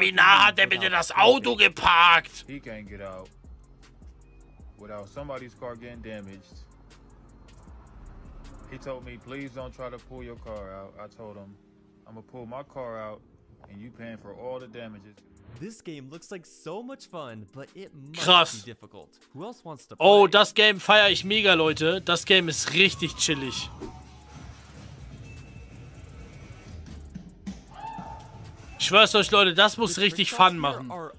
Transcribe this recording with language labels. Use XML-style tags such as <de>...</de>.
<de>wie nah hat der bitte das Auto geparkt?</de> <en>He can't get out without somebody's car getting damaged. He told me, please don't try to pull your car out. I told him. I'm gonna pull my car out and you paying for all the damages. This game looks like so much fun, but it must</en> <de>Krass.</de> <en>Be difficult. Who else wants to play?</en> <de>Oh, das Game feiere ich mega, Leute. Das Game ist richtig chillig. Ich schwör's euch, Leute, das muss richtig Fun machen.</de>